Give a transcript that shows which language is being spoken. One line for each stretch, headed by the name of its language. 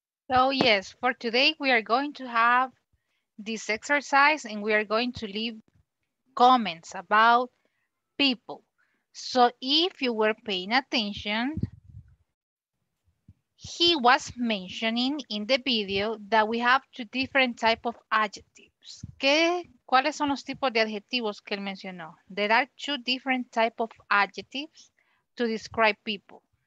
English: So yes, for today we are going to have this exercise and we are going to leave comments about people. So if you were paying attention, he was mentioning in the video that we have two different types of adjectives.
Spanish: ¿Qué? ¿Cuáles son los tipos de adjetivos que él mencionó?
English: There are two different types of adjectives to describe people.